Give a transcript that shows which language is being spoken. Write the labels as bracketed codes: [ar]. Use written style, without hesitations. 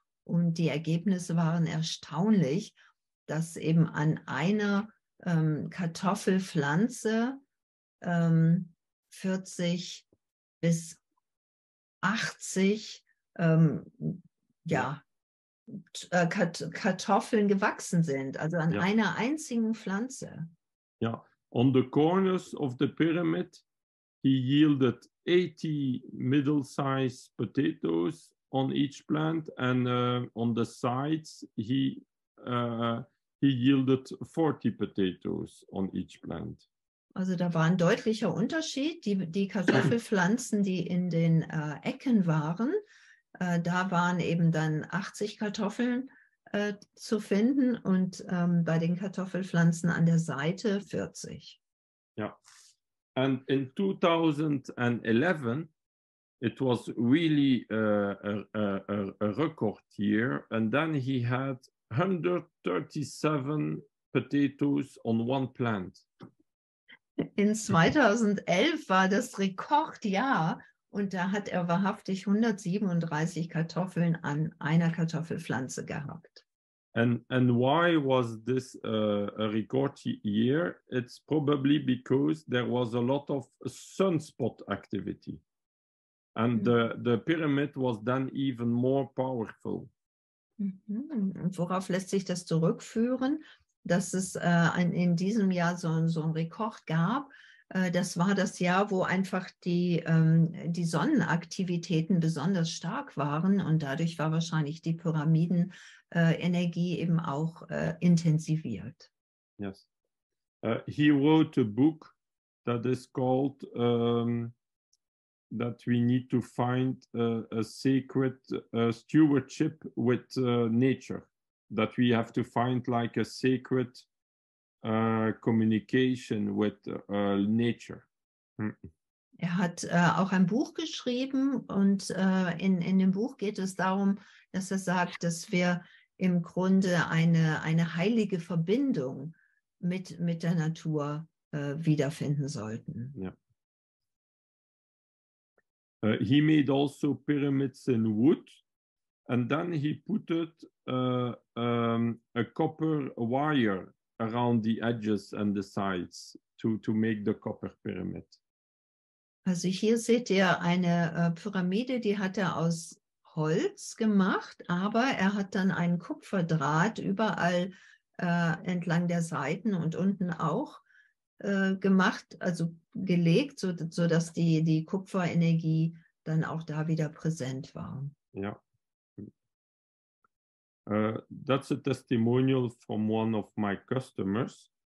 [de] Und die Ergebnisse waren erstaunlich, dass eben an einer Kartoffelpflanze 40 bis 80 Kartoffeln gewachsen sind, also an einer einzigen Pflanze. [en] Ja, on the corners of the pyramid, he yielded 80 middle-sized potatoes on each plant, and on the sides he yielded 40 potatoes on each plant. [de] Also da war ein deutlicher Unterschied. Die Kartoffelpflanzen, die in den Ecken waren, da waren eben dann 80 Kartoffeln zu finden, und bei den Kartoffelpflanzen an der Seite 40. Ja, yeah. [en] And in 2011 it was really a record year, and then he had 137 potatoes on one plant. [de] In 2011 war das Rekordjahr, und da hat er wahrhaftig 137 Kartoffeln an einer Kartoffelpflanze gehabt. [en] And why was this a record year? It's probably because there was a lot of sunspot activity. And the pyramid was then even more powerful. [de] Und worauf lässt sich das zurückführen, dass es in diesem Jahr so ein Rekord gab? Das war das Jahr, wo einfach die Sonnenaktivitäten besonders stark waren, und dadurch war wahrscheinlich die Pyramidenenergie eben auch intensiviert. [en] Yes. He wrote a book that is called that we need to find a sacred stewardship with nature, that we have to find like a sacred communication with nature. [de] Er hat auch ein Buch geschrieben, und in dem Buch geht es darum, dass er sagt, dass wir im Grunde eine heilige Verbindung mit der Natur wiederfinden sollten. Ja. [en] He made also pyramids in wood, and then he put a copper wire around the edges and the sides to make the copper pyramid. [de] Also hier seht ihr eine Pyramide, die hat er aus Holz gemacht, aber er hat dann einen Kupferdraht überall entlang der Seiten und unten auch gemacht, also gelegt, so dass die Kupferenergie dann auch da wieder präsent war. Ja. [en] That's a testimonial from one of my customers.